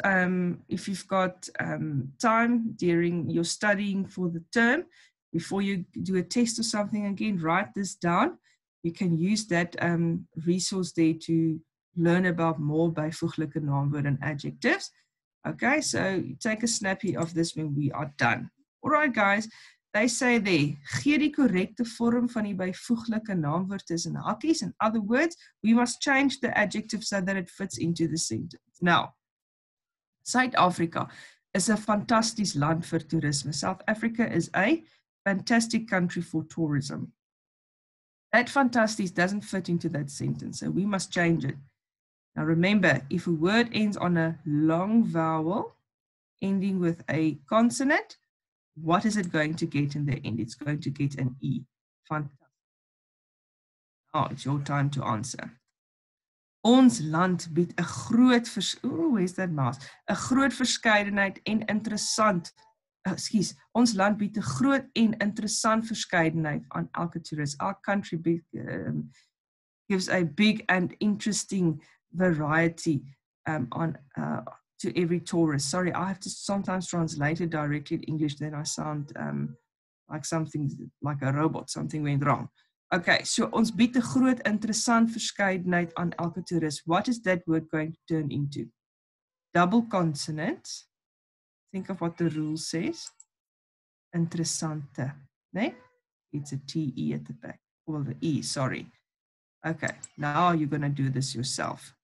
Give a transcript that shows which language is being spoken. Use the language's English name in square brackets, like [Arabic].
[English] If you've got time during your studying for the term, before you do a test or something again, write this down. You can use that resource there to learn about more bijvoeglijke naamwoorden and adjectives. Okay, so take a snappy of this when we are done. All right, guys. [Afrikaans] They say there, gee die correcte vorm van die bijvoeglijke naamwoord tussen hakkies. [English] In other words, we must change the adjective so that it fits into the sentence. [Afrikaans] Now, Suid-Afrika is a fantastisch land vir toerisme. [English] South Africa is a fantastic country for tourism. That fantastisch doesn't fit into that sentence, so we must change it. Now remember, if a word ends on a long vowel, ending with a consonant, what is it going to get in the end? It's going to get an E. Fantastic. Now it's your time to answer. [Afrikaans] Ons land bied 'n groot verskeidenheid en interessant. Excuse. Ons land bied 'n groot en interessant verskeidenheid aan elke toerist. [English] Our country gives a big and interesting variety to every tourist. Sorry, I have to sometimes translate it directly in English, then I sound like something, like a robot, something went wrong. [Afrikaans] Okay, so ons bied 'n groot interessant verskeidenheid aan elke toerist. [English] What is that word going to turn into? Double consonant. Think of what the rule says. Interessante. Nee? It's a T-E at the back. Well, the E, sorry. Okay, now you're going to do this yourself.